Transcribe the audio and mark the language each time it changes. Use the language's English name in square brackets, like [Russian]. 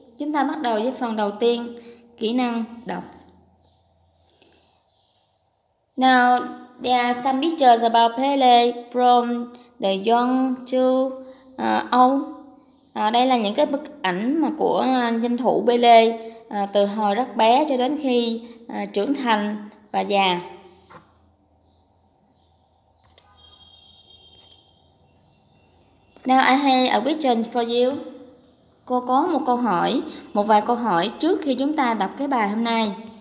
[Vietnamese] Chúng ta bắt đầu với phần đầu tiên, kỹ năng đọc. [English] Now, there are some pictures about Pele from the young to old. [Vietnamese] Đây là những cái bức ảnh mà của danh thủ Pele từ hồi rất bé cho đến khi trưởng thành và già. [English] Now, I have a question for you. [Vietnamese] Cô có một vài câu hỏi trước khi chúng ta đọc cái bài hôm nay.